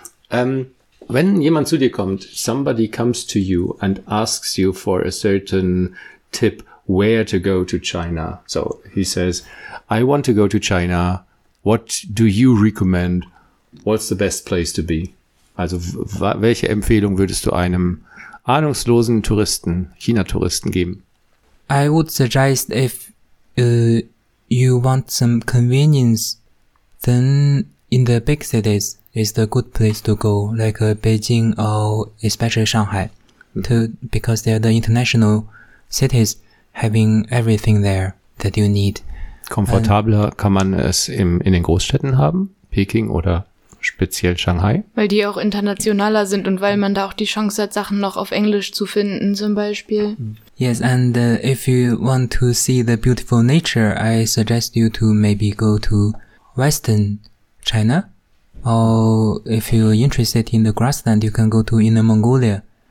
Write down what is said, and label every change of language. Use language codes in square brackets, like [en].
[de] Wenn jemand zu dir kommt, [en] somebody comes to you and asks you for a certain tip. Where to go to China? So he says, I want to go to China. What do you recommend? What's the best place to be? [de] Also, welche Empfehlung würdest du einem ahnungslosen Touristen, China-Touristen geben? [en] I would suggest if you want some convenience, then in the big cities is the good place to go, like Beijing or especially Shanghai, because they are the international cities. Having everything there that you need. [de] Komfortabler kann man es in den Großstädten haben, Peking oder speziell Shanghai. Weil die auch internationaler sind und weil man da auch die Chance hat, Sachen noch auf Englisch zu finden zum Beispiel. [en] Yes, and if you want to see the beautiful nature, I suggest you to maybe go to Western China. Or if you're interested in the grassland, you can go to Inner Mongolia.